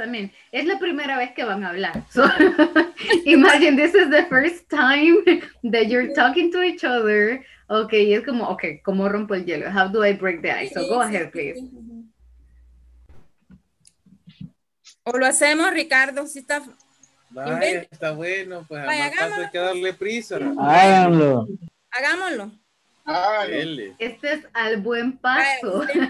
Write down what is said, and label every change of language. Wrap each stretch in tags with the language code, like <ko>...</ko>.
<en>I mean,</en> <es>es la primera vez que van a hablar.</es> <en>So, imagine this is the first time that you're talking to each other.</en> <es>Okay, es como, okay, ¿cómo rompo el hielo?</es> <en>How do I break the ice? So go ahead, please.</en> <es>O lo hacemos, Ricardo, si está... Ay, está bueno, pues además hay que darle prisa. Háganlo. Hagámoslo. Háganlo. Este es al buen paso.</es>